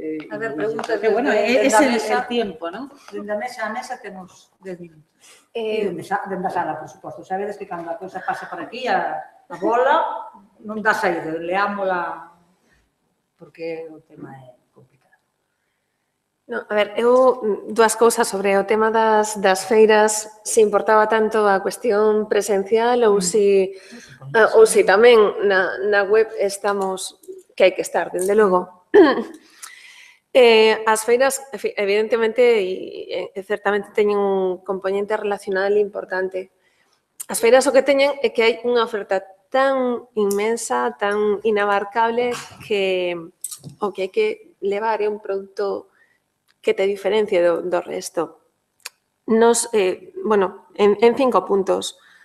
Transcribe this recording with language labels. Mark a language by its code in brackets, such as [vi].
[es] A ver, pregunta. Bueno, es el tiempo, ¿no? De mesa a mesa tenemos 10 minutos. De la sala, por supuesto. Sabes que cuando la cosa pasa por aquí, a bola, no das ahí, leámosla, porque el tema es... [gl] No, a ver, eu dúas cousas sobre o tema das feiras, se importaba tanto a cuestión presencial ou se tamén na web estamos que hai que estar, dende logo. As feiras, evidentemente, e certamente teñen un componente relacional importante. As feiras o que teñen é que hai unha oferta tan inmensa, tan inabarcable, que o que hai que levar é un producto que te diferencie do resto. Nos, bueno, en cinco puntos.